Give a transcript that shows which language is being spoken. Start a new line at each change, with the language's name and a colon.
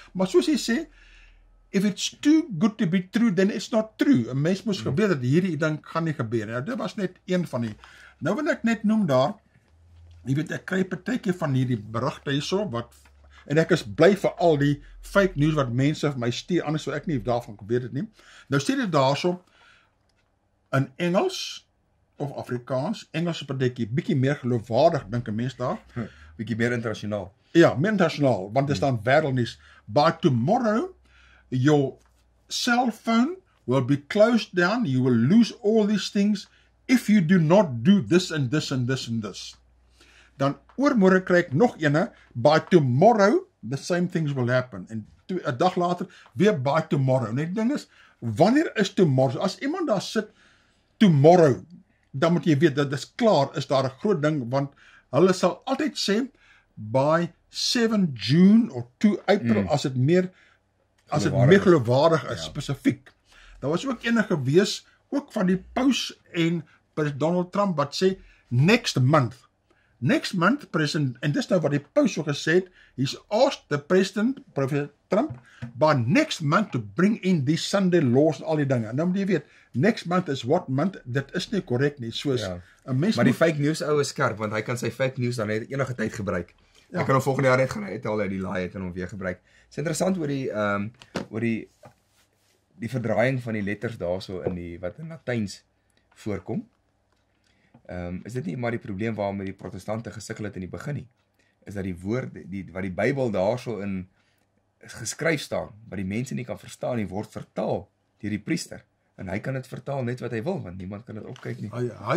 Afrikaans: Maar soos hy sê,
English: if it's too good to be true, then it's not true.
Afrikaans: Een mens moest gebeur, dat hierdie ding gaan nie gebeur. Nou, dit was net een van die. Nou, wat ek net noem daar, jy weet, ek kry 'n partykie van hierdie berigte hierso, wat, en ek is bly vir al die fake news wat mense vir my stuur, anders sou ek nie daarvan weet het nie. Nou stuur dit daarsom in Engels of Afrikaans, Engels op 'n dekkie, bietjie meer geloofwaardig dink 'n mens daar, bietjie meer internasionaal. Ja, meer internasionaal, want dit staan wêreldnuus.
English: By tomorrow your cell phone will be closed down, you will lose all these things if you do not do this and this and this and this.
Afrikaans: Dan oormôre kry ek nog ene,
English: by tomorrow the same things will happen.
Afrikaans: En 'n dag later weer
English: by tomorrow.
Afrikaans: Net ding is, wanneer is tomorrow? As iemand daar sit tomorrow, dan moet jy weet dat dis klaar, is daar 'n groot ding, want hulle sal altyd sê by 7 June of 2 April as dit meer geloofwaardig is, ja. Spesifiek. Daar was ook enige gewees, ook van die paus en president Donald Trump wat sê next month.
English: Next month, president,
Afrikaans: en dis nou wat die paus so gesê het,
English: he's asked the president, president Trump, by next month to bring in die Sunday laws
Afrikaans: en al die dinge. Nou moet jy weet,
English: next month is what month,
Afrikaans: dit is nie korrek nie, soos een mens. Maar die fake news ou is skerp, want hy kan sy fake news dan net enige tyd gebruik. Ja. Hy kan hom volgende jaar net gaan uithaal uit die laai en hom weer gebruik. Dit is interessant oor die verdraaiing van die letters daarso in die, wat in Latyns voorkom. Is dit nie maar die probleem waarmee die protestante gesukkel het in die begin nie, is dat die woord, die, wat die Bybel daar so in geskryf staan, wat die mense nie kan verstaan, die word vertaal deur die priester, en hy kan het vertaal net wat hy wil, want niemand kan het opkyk nie.